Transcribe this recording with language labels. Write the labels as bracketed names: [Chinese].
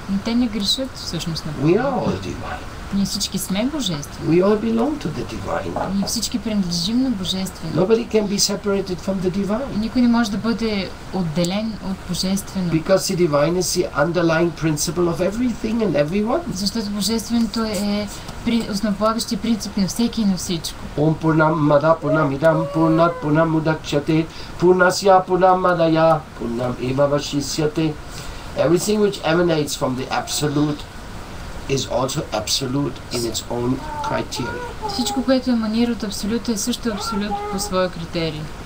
[Bulgarian] Те не грешат всъщност на Бога. [English] We are all divine. [Bulgarian] Ние всички сме божествени. [English] We all belong to the divine. [Bulgarian] Ние всички принадлежим на божествено. [English] Nobody can be separated from the divine. [Bulgarian] Никой не може да бъде отделен от божествено. [English] Because the divine is the underlying principle of everything and everyone. [Bulgarian] Защото божественото е основополагащи принцип на всеки и на всичко. [Sanskrit] Ом пурнам мада пурнам идам пурнат пурнам удакчате пурнасия пурнам мадая пурнам ива вашисяте. [English] Everything which emanates from the absolute is also absolute in its own criteria. [Bulgarian] Всичко, което еманира от абсолюта, е също абсолют по своя критерий.